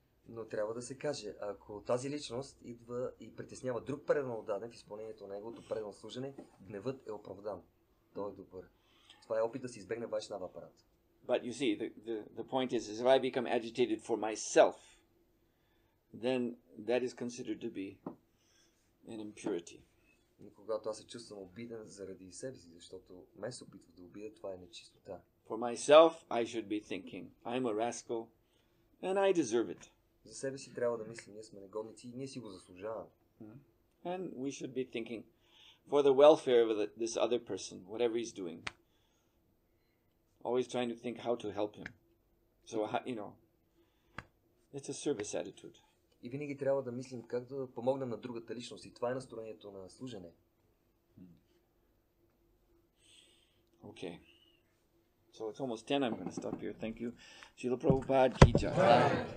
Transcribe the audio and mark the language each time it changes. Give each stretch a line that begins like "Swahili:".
Bulgarian: Но трябва да се каже, ако тази личност идва и притеснява друг преданал даден в изпълнението на неговото предано служене, гневът е оправдан. Той е добър. Това е опит да се избегне Вайшнава апарат.
English: But you see, the point is if I become agitated for myself, then that is considered to be an impurity.
Bulgarian: Но когато аз се чувствам обиден заради себе си, защото ме се опитва да обида, това е нечистота.
English: For myself, I should be thinking, I'm a rascal and I deserve it.
Bulgarian: За себе си трябва да мислим, ние сме негодници и ние си го заслужаваме.
English: And we should be thinking for the welfare of this other person, whatever he's doing. Always trying to think how to help him. So, you know, it's a service attitude.
Bulgarian: И винаги трябва да мислим как да помогнем на другата личност. И това е настроението на служене.
English: Okay. So it's almost 10, I'm going to stop here. Thank you. Srila Prabhupada ki jai.